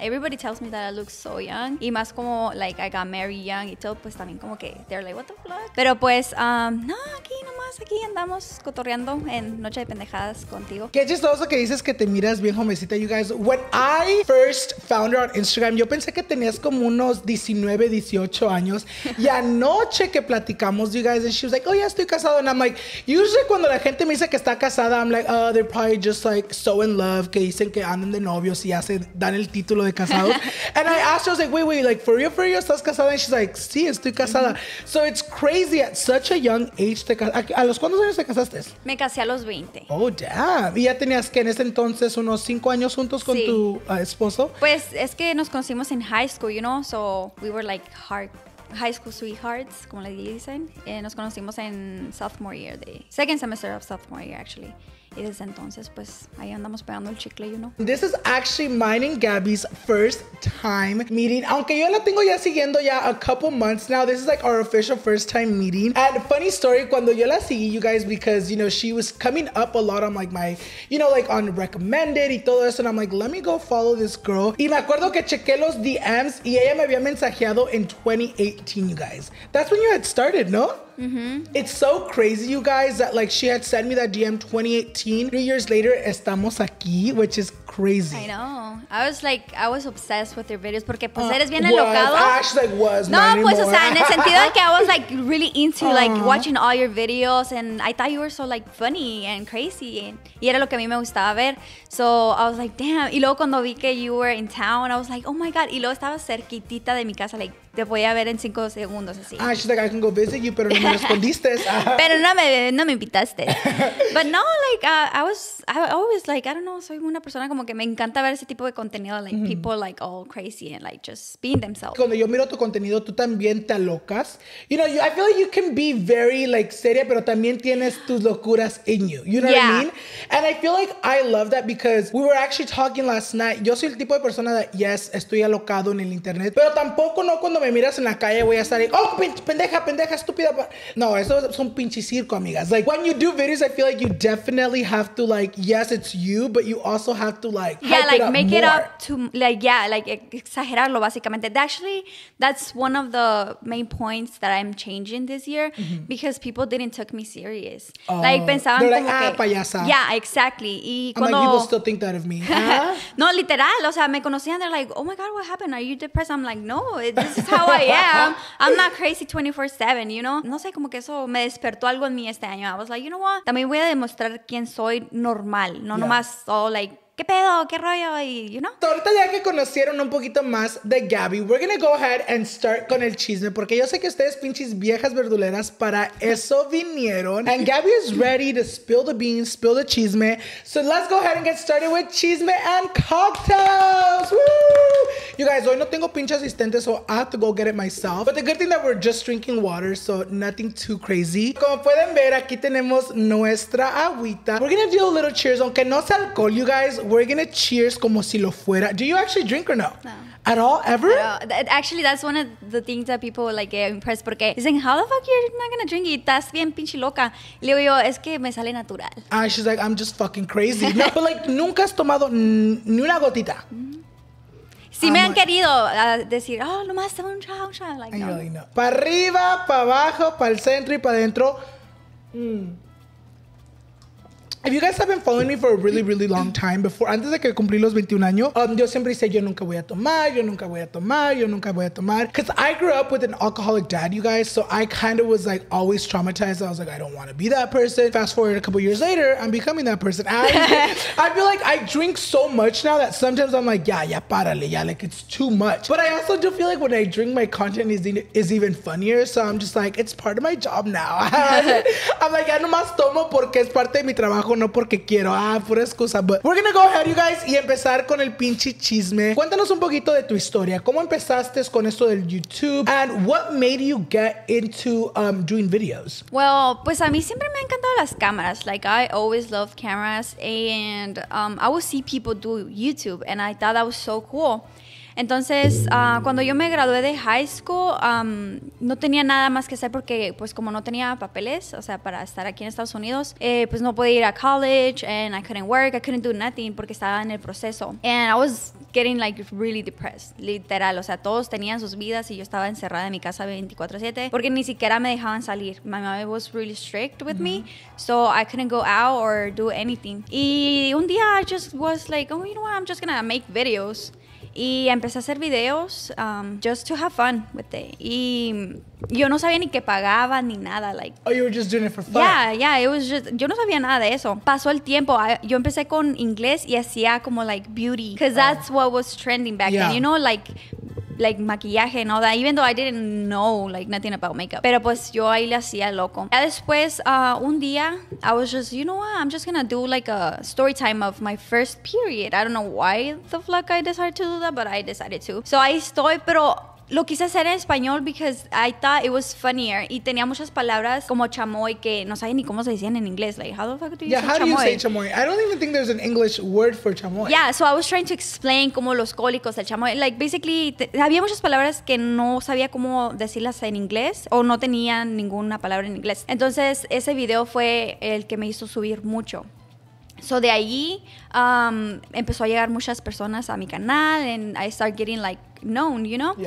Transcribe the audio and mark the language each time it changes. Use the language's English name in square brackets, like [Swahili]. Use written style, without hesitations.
[English] Everybody tells me that I look so young [Spanish] y más como [English] like I got married young [Spanish] y todo, pues también como que [English] they're like, what the fuck? [Spanish] Pero pues, no, aquí nomás, aquí andamos cotorreando en Noche De Pendejadas contigo. Qué chistoso que dices que te miras bien jovencita, [English] you guys. When I first found her on Instagram, [Spanish] yo pensé que tenías como unos 19, 18 años. Y anoche que platicamos, [English] you guys, and she was like, oh, yeah, [Spanish] estoy casado. [English] And I'm like, usually [Spanish] cuando la gente me dice que está casada, [English] I'm like, oh, they're probably just like so in love, [Spanish] que dicen que andan de novios y hacen, dan el título de casado. [English] And I asked her, I was like, wait, wait, like, for real, [Spanish] ¿estás casada? [English] And she's like, [Spanish] sí, estoy casada. [English] Mm-hmm. So it's crazy at such a young age. [Spanish] ¿A los cuántos años te casaste? Me casé a los 20. [English] Oh, damn. [Spanish] ¿Y ya tenías que en ese entonces unos 5 años juntos con tu esposo? Pues es que nos conocimos en [English] high school, you know, so we were like high school sweethearts, [Spanish] como le dicen. Nos conocimos en [English] sophomore year, the second semester of sophomore year, actually. [Spanish] Y desde entonces, pues, ahí andamos pegando el chicle, [English] you know. This is actually mine and Gabby's first time meeting. [Spanish] Aunque yo la tengo ya siguiendo ya [English] a couple months now, this is like our official first time meeting. And funny story, [Spanish] cuando yo la seguí, [English] you guys, because, you know, she was coming up a lot on like my, you know, like on recommended [Spanish] y todo eso. [English] And I'm like, let me go follow this girl. [Spanish] Y me acuerdo que chequé los DMs y ella me había mensajeado [English] in 2018, you guys. That's when you had started, [Spanish] no? Mm-hmm. [English] It's so crazy, you guys, that like she had sent me that DM 2018. 3 years later, [Spanish] estamos aquí, [English] which is crazy. I know. I was like, I was obsessed with your videos [Spanish] porque pues eres bien alocado. [English] Ash like was. [Spanish] No, pues, o sea, en el sentido de que [English] I was like really into like watching all your videos and I thought you were so like funny and crazy [Spanish] y era lo que a mí me gustaba ver. [English] So I was like, damn. [Spanish] Y luego cuando vi que [English] you were in town, I was like, oh my god. [Spanish] Y luego estaba cerquitita de mi casa, [English] like. [Spanish] Te voy a ver en 5 segundos así. [English] Ah, she's like, I can go visit you, [Spanish] pero no me respondiste. Pero no me invitaste. [English] But no, like, I always, I don't know, [Spanish] soy una persona como que me encanta ver ese tipo de contenido, like, mm-hmm. [English] People, like, all crazy and, like, just being themselves. [Spanish] Cuando yo miro tu contenido, tú también te alocas. [English] You know, I feel like you can be very, like, [Spanish] seria, pero también tienes tus locuras [English] in you. You know what I mean? And I feel like I love that because we were actually talking last night. [Spanish] Yo soy el tipo de persona [English] that, yes, [Spanish] estoy alocado en el internet, pero tampoco no cuando me miras en la calle voy a estar [English] like, oh, [Spanish] pendeja, pendeja, estúpida. No, eso es un pinche circo, amigas. [English] Like, when you do videos, I feel like you definitely have to, like, yes, it's you, but you also have to, like, yeah, like, it make more. It up to, like, yeah, like, [Spanish] exagerarlo, básicamente. [English] Actually, that's one of the main points that I'm changing this year, mm-hmm. Because people didn't take me serious. [Spanish] Like, pensaban [English] like, [Spanish] como que, payasa. [English] Yeah, exactly. [Spanish] Y [English] I'm [Spanish] cuando, [English] like, people still think that of me. [Spanish] No, literal, o sea, me conocían, [English] they're like, oh my god, what happened? Are you depressed? I'm like, no, this is how I am. I'm not crazy 24/7, you know? [Spanish] No sé, como que eso me despertó algo en mí este año. [English] I was like, you know what? [Spanish] También voy a demostrar quién soy normal. No nomás [English] all like, [Spanish] ¿qué pedo? ¿Qué rollo? Y, [English] you know? [Spanish] Ahorita ya que conocieron un poquito más de Gabbi, [English] we're gonna go ahead and start [Spanish] con el chisme porque yo sé que ustedes pinches viejas verduleras para eso vinieron. [English] And Gabbi is ready to spill the beans, [Spanish] spill the chisme. [English] So let's go ahead and get started with chisme and cocktails. Woo! You guys, [Spanish] hoy no tengo pinche asistente, [English] so I have to go get it myself. But the good thing that we're just drinking water, so nothing too crazy. [Spanish] Como pueden ver, aquí tenemos nuestra agüita. [English] We're gonna do a little cheers, [Spanish] aunque no sea alcohol, [English] you guys. We're gonna cheers [Spanish] como si lo fuera. [English] Do you actually drink or no? No. At all, ever? Actually, that's one of the things that people like get impressed [Spanish] porque dicen, [English] how the fuck you're not gonna drink it? [Spanish] Estás bien pinche loca. [English] Le digo yo, [Spanish] es que me sale natural. Ah, [English] she's like, I'm just fucking crazy. No, but like, [Spanish] nunca has tomado ni una gotita. [English] Si me han querido decir, oh, nomás tengo un chao, chao. Like, no. Really know. [Spanish] Para arriba, para abajo, para el centro y para adentro. [English] If you guys have been following me for a really, really long time, [Spanish] before, antes de que cumplí los 21 años, yo siempre dice, yo nunca voy a tomar, yo nunca voy a tomar, yo nunca voy a tomar. [English] Because I grew up with an alcoholic dad, you guys, so I kind of was like always traumatized. I was like, I don't want to be that person. Fast forward a couple years later, I'm becoming that person. I feel like I drink so much now that sometimes I'm like, yeah, yeah, [Spanish] párale, [English] yeah, like it's too much. But I also do feel like when I drink, my content is even funnier. So I'm just like, it's part of my job now. [Spanish] I'm like, ya nomás tomo porque es parte de mi trabajo. No porque quiero, ah, pura excusa. [English] But we're gonna go ahead, you guys, [Spanish] y empezar con el pinche chisme. Cuéntanos un poquito de tu historia. ¿Cómo empezaste con esto del YouTube? [English] And what made you get into doing videos? Well, [Spanish] pues a mí siempre me han encantado las cámaras. [English] Like, I always loved cameras. And I would see people do YouTube. And I thought that was so cool. [Spanish] Entonces, cuando yo me gradué de high school, no tenía nada más que hacer porque, pues, como no tenía papeles, o sea, para estar aquí en Estados Unidos, pues, no podía ir a college, [English] and I couldn't work, I couldn't do nothing [Spanish] porque estaba en el proceso. [English] And I was getting, like, really depressed, literal. [Spanish] O sea, todos tenían sus vidas y yo estaba encerrada en mi casa 24/7 porque ni siquiera me dejaban salir. [English] My mom was really strict with me, so I couldn't go out or do anything. [Spanish] Y un día [English] I just was like, oh, you know what, I'm just gonna make videos. [Spanish] Y empecé a hacer videos [English] just to have fun with it. [Spanish] Y yo no sabía ni qué pagaba ni nada. [English] Like, oh, you were just doing it for fun. Yeah, yeah. It was just, [Spanish] yo no sabía nada de eso. Pasó el tiempo. Yo empecé con inglés y hacía como [English] like beauty. Because that's what was trending back then. You know, like [Spanish] maquillaje [English] and all that. Even though I didn't know like nothing about makeup. [Spanish] Pero pues yo ahí le hacía loco. [English] Ya después, un día, I was just, you know what? I'm just gonna do like a story time of my first period. I don't know why the fuck I decided to do that, but I decided to. [Spanish] So ahí estoy, pero lo quise hacer en español [English] because I thought it was funnier. [Spanish] Y tenía muchas palabras como chamoy que no sabía ni cómo se decían en inglés. [English] Like, how the fuck do you say chamoy? Yeah, how do you say chamoy? I don't even think there's an English word for chamoy. Yeah, so I was trying to explain [Spanish] como los cólicos del chamoy. Like, basically, había muchas palabras que no sabía cómo decirlas en inglés o no tenía ninguna palabra en inglés. Entonces, ese video fue el que me hizo subir mucho. So de ahí empezó a llegar muchas personas a mi canal [English] and I started getting like known, you know?